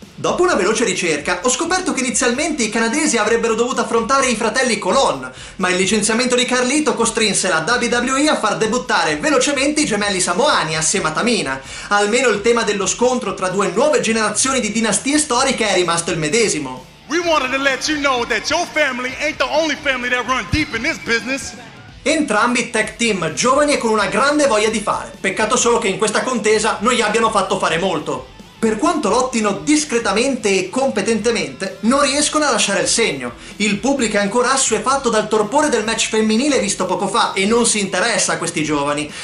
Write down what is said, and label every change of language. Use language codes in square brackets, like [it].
[it] Dopo una veloce ricerca, ho scoperto che inizialmente i canadesi avrebbero dovuto affrontare i fratelli Colon, ma il licenziamento di Carlito costrinse la WWE a far debuttare velocemente i gemelli samoani assieme a Tamina. Almeno il tema dello scontro tra due nuove generazioni di dinastie storiche è rimasto il medesimo. [en] We wanted to let you know that your family ain't the only family that run deep in this business. [it] Entrambi tech team, giovani e con una grande voglia di fare. Peccato solo che in questa contesa non gli abbiano fatto fare molto. Per quanto lottino discretamente e competentemente, non riescono a lasciare il segno. Il pubblico è ancora assuefatto dal torpore del match femminile visto poco fa e non si interessa a questi giovani.